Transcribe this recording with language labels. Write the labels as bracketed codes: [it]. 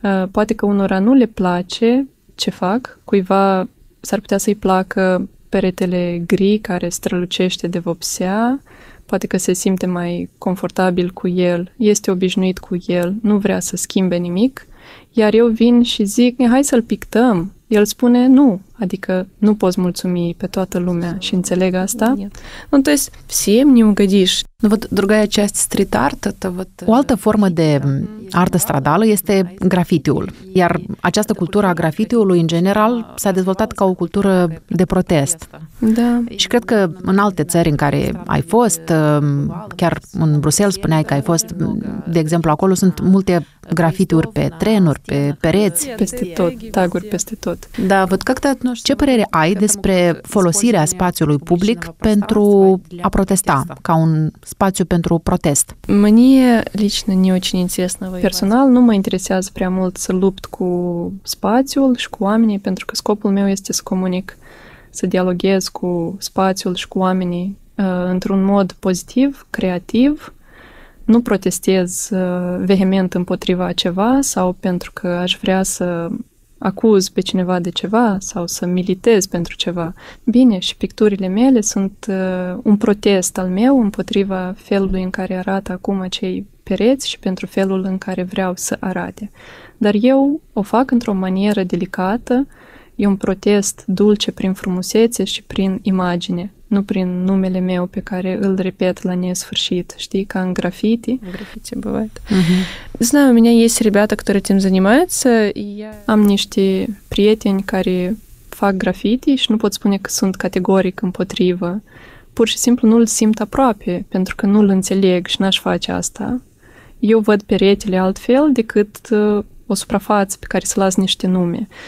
[ro] Poate că unora nu le place ce fac. Cuiva s-ar putea să-i placă peretele gri care strălucește de vopsea. Poate că se simte mai confortabil cu el, este obișnuit cu el, nu vrea să schimbe nimic. Iar eu vin și zic, hai să-l pictăm. El spune nu, adică nu poți mulțumi pe toată lumea și înțeleg asta. [ru] Nu, то есть всем не угодишь. Ну вот другая часть стрит-арт, это вот. [ro] O altă formă de artă stradală este grafitiul. Iar această cultură a grafitiului în general s-a dezvoltat ca o cultură de protest. Da. Și cred că în alte țări în care ai fost, chiar în Bruxelles spuneai că ai fost, de exemplu, acolo sunt multe grafitiuri pe trenuri, pe pereți, peste tot, taguri peste tot. Da, văd că ce părere ai despre folosirea spațiului public pentru a protesta, ca un spațiu pentru protest? [ru] Mie, лично, не очень интересно. [ro] Personal, nu mă interesează prea mult să lupt cu spațiul și cu oamenii, pentru că scopul meu este să comunic, să dialoghez cu spațiul și cu oamenii într-un mod pozitiv, creativ. Nu protestez vehement împotriva ceva sau pentru că aș vrea să acuz pe cineva de ceva sau să militez pentru ceva. Bine, și picturile mele sunt un protest al meu împotriva felului în care arată acum acei pereți și pentru felul în care vreau să arate. Dar eu o fac într-o manieră delicată, e un protest dulce prin frumusețe și prin imagine, nu prin numele meu pe care îl repet la nesfârșit, știi, ca în graffiti. Graffiti, băvăt. [ru] Знаю, у меня есть ребята, которые этим занимаются, и я... [ro] Am niște prieteni care fac graffiti și nu pot spune că sunt categoric împotrivă. Pur și simplu nu-l simt aproape, pentru că nu-l înțeleg și n-aș face asta. Eu văd peretele altfel decât o suprafață pe care să las niște nume.